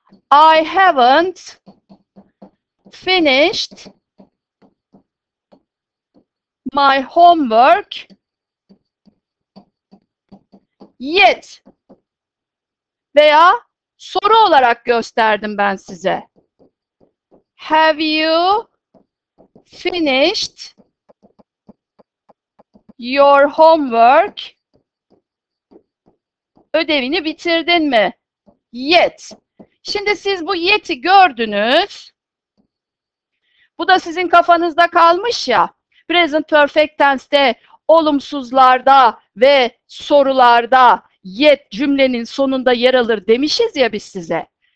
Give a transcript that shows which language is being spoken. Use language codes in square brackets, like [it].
[en] Haven't finished homework yet. [tr] Veya soru olarak gösterdim ben size. [en] Have finished your homework? [tr] Ödevini bitirdin mi? Yet. Şimdi siz bu yeti gördünüz. Bu da sizin kafanızda kalmış ya. Present perfect tense'te olumsuzlarda ve sorularda yet cümlenin sonunda yer alır demişiz ya biz size.